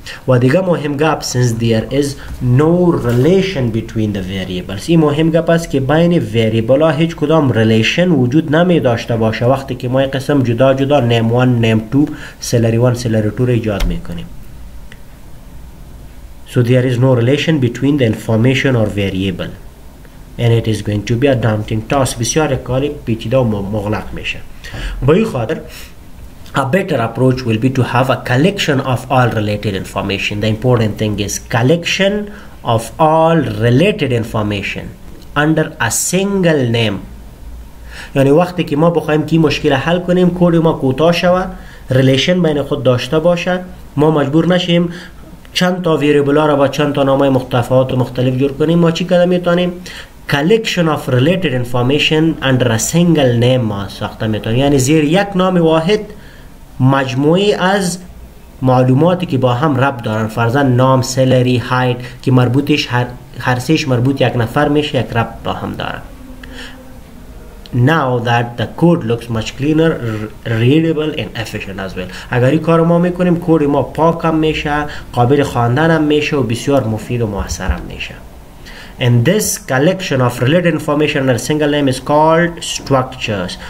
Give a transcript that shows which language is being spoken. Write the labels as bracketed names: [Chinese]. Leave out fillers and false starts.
[Persian] و دیگه مهم گپ، [English] since there is no relation between the variables، [Persian] این مهم گپ است که بین ویریبل ها هیچ کدام ریلیشن وجود نمی داشته باشه وقتی که ما یک قسم جدا جدا نیم 1 نیم 2 سلری 1 سلری 2 را ایجاد میکنیم. [English] So there is no relation between the information or variable and it is going to be a daunting task. [Persian] بسیار کاری پیچیده و مغلق میشه. به این خاطر [English] a better approach will be to have a collection of all related information. The important thing is collection of all related information under a single name. [Persian] یعنی وقتی که ما بخوایم که مشکل حل کنیم، کد ما کوتاه شوه، ریلیشن بین خود داشته باشه، ما مجبور نشیم چند تا ویریبل ها را با چند تا نامه متفاوت و مختلف جور کنیم. ما چی کده میتونیم؟ [English] collection of related information under a single name [Persian] ما ساخته میتونیم، یعنی زیر یک نام واحد مجموعی از معلوماتی که با هم ربط دارن، فرضاً نام، سلری، هایت که مربوطش هر سیش مربوط یک نفر میشه، یک ربط با هم داره. [English] Now that the code looks much cleaner, readable and efficient as well. [Persian] اگر این کار ما میکنیم، کود ما پاک هم میشه، قابل خواندن هم میشه و بسیار مفید و موثر هم میشه. [English] And this collection of related information under a single name is called structures.